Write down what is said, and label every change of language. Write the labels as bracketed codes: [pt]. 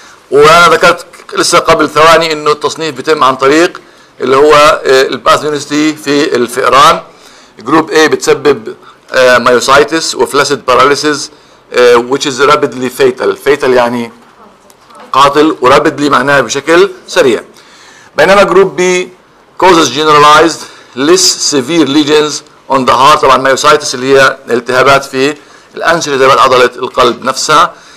[ar] وانا ذكرت لسه قبل ثواني انه التصنيف بيتم عن طريق اللي هو الباثوجينيسيتي في الفئران. جروب A بتسبب مايوسايتس وفلاسيد باراليسيس [en] which is rapidly fatal. [ar] fatal يعني قاتل، ورابيدلي معناها بشكل سريع. بينما جروب [en] B causes generalized less severe lesions on the heart. [ar] طبعا myositis اللي هي التهابات في الأنسجة تبع عضلة القلب نفسها.